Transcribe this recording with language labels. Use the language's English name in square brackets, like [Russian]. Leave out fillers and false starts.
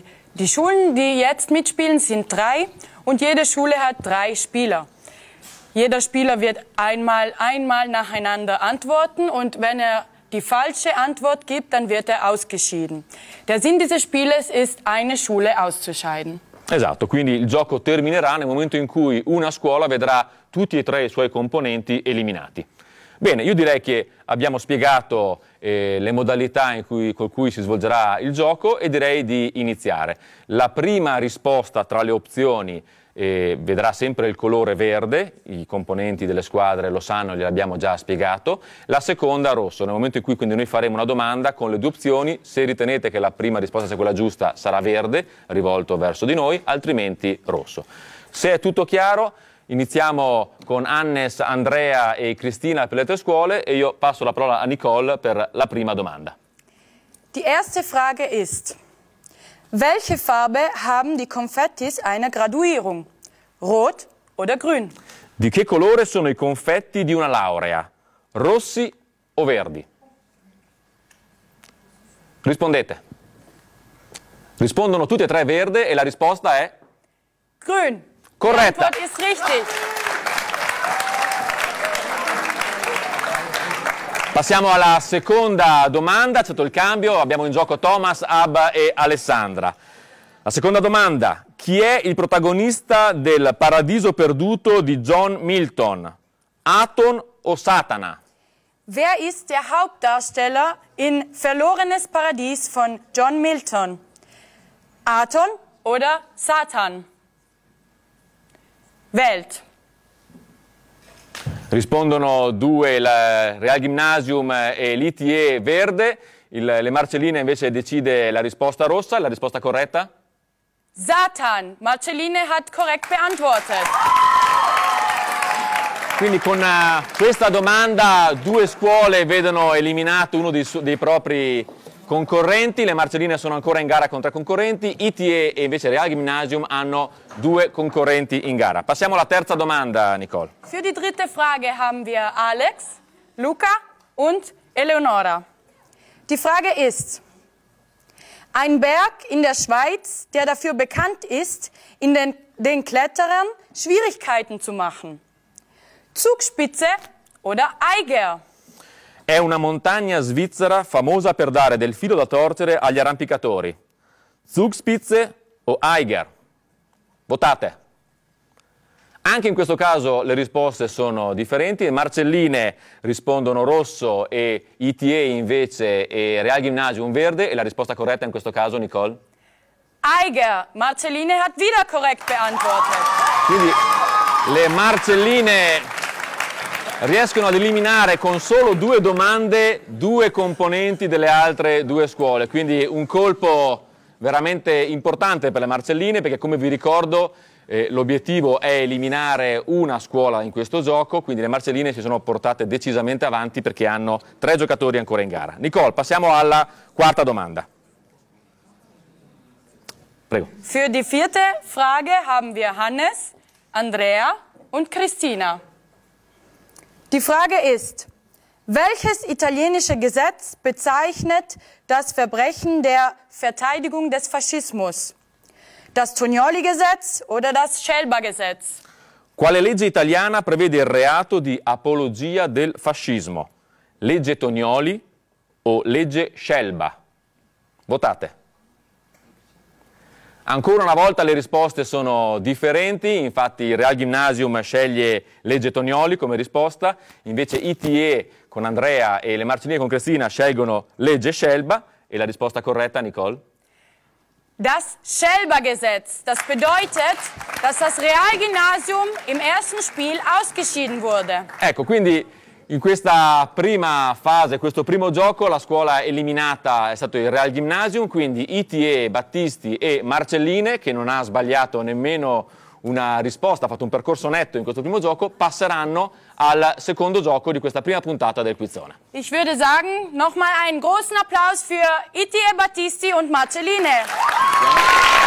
[German] Die Schulen, die jetzt mitspielen, sind 3, und jede Schule hat 3 Spieler. Jeder Spieler wird einmal nacheinander antworten, und wenn er die falsche Antwort gibt, dann wird er ausgeschieden. Der Sinn dieses Spieles ist, eine Schule auszuscheiden. [Italian] Esatto, quindi il gioco terminerà nel momento in cui una scuola vedrà tutti e 3 i suoi componenti eliminati. Bene, io direi che abbiamo spiegato le modalità in cui, con cui si svolgerà il gioco e direi di iniziare. La prima risposta tra le opzioni vedrà sempre il colore verde, i componenti delle squadre lo sanno, gliel'abbiamo già spiegato. La seconda rosso, nel momento in cui quindi noi faremo una domanda con le due opzioni, se ritenete che la prima risposta sia quella giusta sarà verde, rivolto verso di noi, altrimenti rosso. Se è tutto chiaro, iniziamo con Hannes, Andrea e Cristina per le tre scuole e io passo la parola a Nicole per la prima domanda. [German] Die erste Frage ist: Welche Farbe haben die Konfettis einer Graduierung? Rot oder grün? [Italian] Di che colore sono i confetti di una laurea? Rossi o verdi? Rispondete. Rispondono tutti e tre verde e la risposta è [German] grün. [Italian] Corretta. [German] Antwort ist richtig. [Italian] Passiamo alla seconda domanda, c'è stato il cambio, abbiamo in gioco Thomas, Abba e Alessandra. La seconda domanda, chi è il protagonista del Paradiso Perduto di John Milton? Aton o Satana? [German] Wer ist der Hauptdarsteller in Verlorenes Paradies von John Milton? Aton oder Satan? Welt. [Italian] Rispondono due, il Real Gymnasium e l'ITE verde, le Marcelline invece decide la risposta rossa, la risposta corretta? [German] Satan, Marcelline hat korrekt beantwortet. [Italian] Quindi con questa domanda due scuole vedono eliminato uno dei propri concorrenti, le Marcelline sono ancora in gara con tre concorrenti, ITE e invece Real Gymnasium hanno due concorrenti in gara. Passiamo alla terza domanda, Nicole. [German] Für die dritte Frage haben wir Alex, Luca und Eleonora. Die Frage ist: Ein Berg in der Schweiz, der dafür bekannt ist, in den Kletterern Schwierigkeiten zu machen. Zugspitze oder Eiger? [Italian] È una montagna svizzera famosa per dare del filo da torcere agli arrampicatori. Zugspitze o Eiger? Votate. Anche in questo caso le risposte sono differenti. Marcelline rispondono rosso e ITE invece e Real Gymnasium verde. E la risposta corretta in questo caso, Nicole? Eiger. [German] Marcelline hat wieder korrekt beantwortet. [Italian] Quindi le Marcelline riescono ad eliminare con solo due domande due componenti delle altre due scuole. Quindi un colpo veramente importante per le Marcelline, perché come vi ricordo l'obiettivo è eliminare una scuola in questo gioco, quindi le Marcelline si sono portate decisamente avanti perché hanno tre giocatori ancora in gara. Nicole, passiamo alla quarta domanda. Prego. [German] Für die vierte Frage haben wir Hannes, Andrea und Cristina. Die Frage ist: Welches italienische Gesetz bezeichnet das Verbrechen der Verteidigung des Faschismus? Das Tognoli-Gesetz oder das Schelba-Gesetz? [Italian] Quale legge italiana prevede il reato di apologia del fascismo? Legge Tognoli o legge Schelba? Votate. Ancora una volta le risposte sono differenti, infatti il Real Gymnasium sceglie legge Tognoli come risposta, invece ITE con Andrea e le Marcelline con Cristina scelgono legge Schelba e la risposta corretta, Nicole? [German] Das Schelba-Gesetz, das bedeutet, dass das Real Gymnasium im ersten Spiel ausgeschieden wurde. [Italian] Ecco, quindi in questa prima fase, questo primo gioco, la scuola eliminata è stato il Real Gymnasium, quindi ITE, Battisti e Marcelline, che non ha sbagliato nemmeno una risposta, ha fatto un percorso netto in questo primo gioco, passeranno al secondo gioco di questa prima puntata del Quizzone. [German] Ich würde sagen, nochmal einen großen Applaus für ITE, Battisti und Marcelline.